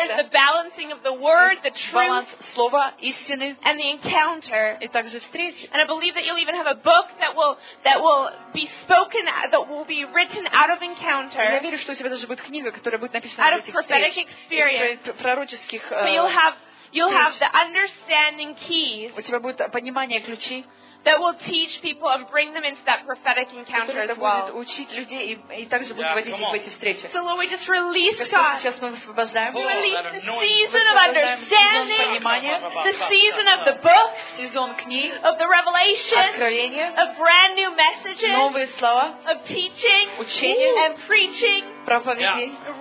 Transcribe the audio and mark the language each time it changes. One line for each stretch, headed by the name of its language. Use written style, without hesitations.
English: There's the balancing of the word, the truth.
Russian: Баланс слова истины.
English: And the encounter.
Russian: И также встреч.
English: And I believe that you'll even have a book that will be spoken that will be written out of encounter.
Russian: Я верю, что у тебя даже будет книга, которая будет написана
English: out of prophetic experience.
Russian: Пророческих
English: So you'll have the understanding keys.
Russian: У тебя будет понимание ключи.
English: That will teach people and bring them into that prophetic encounter as well.
Russian: Будет учить людей и также будет вводить их в эти встречи.
English: So Lord, we just release God.
Russian: Сейчас мы освобождаем.
English: We release the season of understanding, the season of the books,
Russian: сезон книг,
English: of the revelation,
Russian: откровения,
English: of brand new messages,
Russian: новые слова,
English: of teaching,
Russian: учения,
English: and preaching. Yeah.